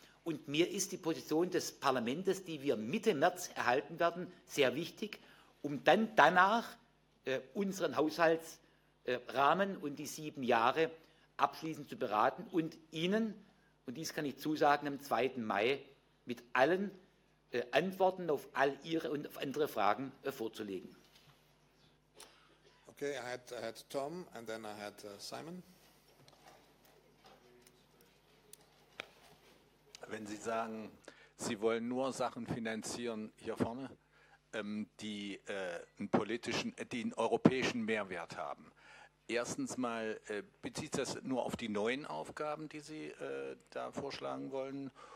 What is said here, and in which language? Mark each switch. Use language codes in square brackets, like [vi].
[de] Und mir ist die Position des Parlaments, die wir Mitte März erhalten werden, sehr wichtig, um dann danach unseren Haushaltsrahmen und die 7 Jahre abschließend zu beraten und Ihnen, und dies kann ich zusagen, am 2. Mai mit allen Antworten auf all Ihre und auf andere Fragen vorzulegen. [en] Okay, I had Tom and then I had Simon. [de] Wenn Sie sagen, Sie wollen nur Sachen finanzieren hier vorne, die einen europäischen Mehrwert haben. Erstens mal, bezieht das nur auf die neuen Aufgaben, die Sie da vorschlagen wollen?